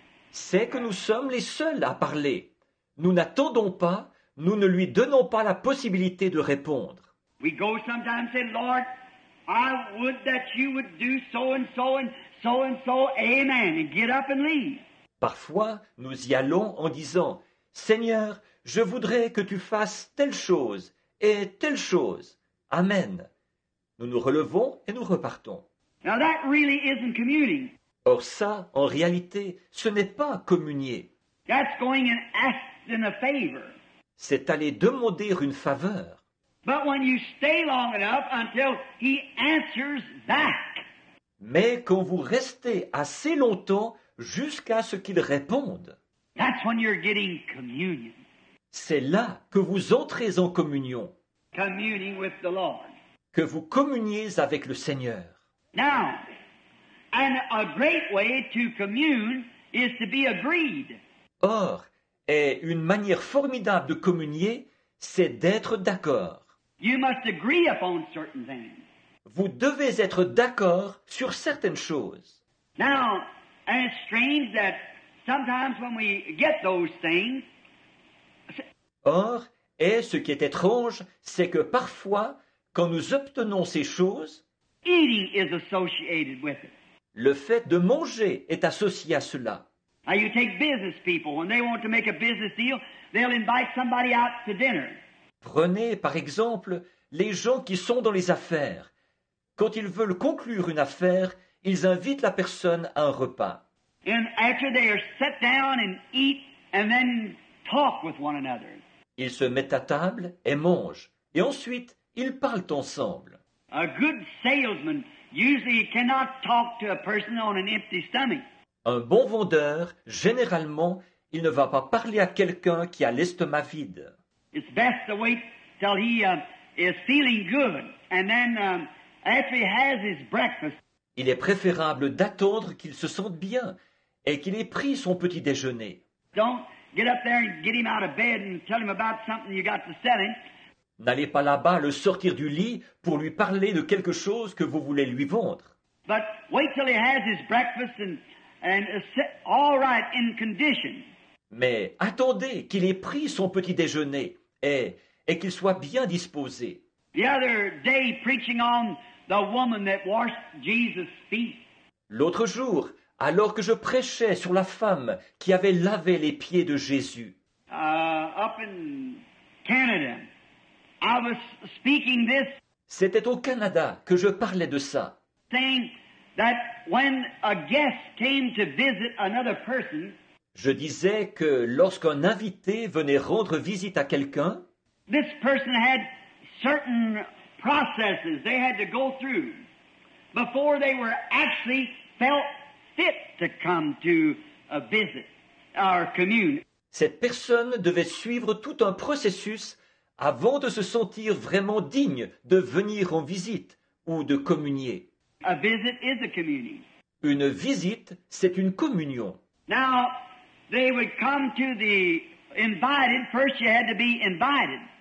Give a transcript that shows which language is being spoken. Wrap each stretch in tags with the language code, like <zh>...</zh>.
<fr>C'est que nous sommes les seuls à parler. Nous n'attendons pas, nous ne lui donnons pas la possibilité de répondre.</fr> <en>We go sometimes and say, Lord, I would that you would do so and so and so and so, amen, and get up and leave.</en> <fr>Parfois, nous y allons en disant, Seigneur, je voudrais que tu fasses telle chose et telle chose, amen. Nous nous relevons et nous repartons.</fr> <en>Now that really isn't communing.</en> <fr>Or ça, en réalité, ce n'est pas communier.</fr> <en>That's going and asking a favor.</en> <fr>C'est aller demander une faveur.</fr> <en>But when you stay long enough until he answers back.</en> <fr>Mais quand vous restez assez longtemps jusqu'à ce qu'il réponde.</fr> <en>That's when you're getting communion.</en> <fr>C'est là que vous entrez en communion.</fr> <en>Communing with the Lord.</en> <fr>Que vous communiez avec le Seigneur.</fr> <en>Now, and a great way to commune is to be agreed.</en> <fr>Or, et une manière formidable de communier, c'est d'être d'accord.</fr> <en>You must agree upon certain things.</en> <fr>Vous devez être d'accord sur certaines choses.</fr> <en>Now, and it's strange that sometimes when we get those things.</en> <fr>Or, et ce qui est étrange, c'est que parfois, quand nous obtenons ces choses,</fr> <en>eating is associated with it.</en> <fr>Le fait de manger est associé à cela.</fr> <en>Now, you take business people. When they want to make a business deal, they'll invite somebody out to dinner.</en> <fr>Prenez, par exemple, les gens qui sont dans les affaires. Quand ils veulent conclure une affaire, ils invitent la personne à un repas.</fr> <en>And after they are set down and eat and then talk with one another.</en> <fr>Ils se mettent à table et mangent. Et ensuite, ils parlent ensemble.</fr> <en>A good salesman usually cannot talk to a person on an empty stomach.</en> <fr>Un bon vendeur, généralement, il ne va pas parler à quelqu'un qui a l'estomac vide.</fr> <en>It's best to wait till he is feeling good and then after he has his breakfast.</en> <fr>Il est préférable d'attendre qu'il se sente bien et qu'il ait pris son petit déjeuner.</fr> <en>Don't get up there and get him out of bed and tell him about something you got to sell him.</en> <fr>N'allez pas là-bas le sortir du lit pour lui parler de quelque chose que vous voulez lui vendre.</fr> <en>But wait till he has his breakfast and all right in condition.</en> <fr>Mais attendez qu'il ait pris son petit déjeuner et qu'il soit bien disposé.</fr> <en>The other day preaching on the woman that washed Jesus' feet.</en> <fr>L'autre jour, alors que je prêchais sur la femme qui avait lavé les pieds de Jésus.</fr> <en>Up in Canada. I was speaking this.</en> <fr>C'était au Canada que je parlais de ça.</fr> <en>Saying that when a guest came to visit another person.</en> <fr>Je disais que lorsqu'un invité venait rendre visite à quelqu'un.</fr> <en>This person had certain processes they had to go through before they were actually felt fit to come to a visit our commune.</en> <fr>Cette personne devait suivre tout un processus avant de se sentir vraiment digne de venir en visite ou de communier.</fr> <en>A visit is a communion.</en> <fr>Une visite, c'est une communion.</fr> <en>Now, they would come to the invited. First, you had to be invited.</en>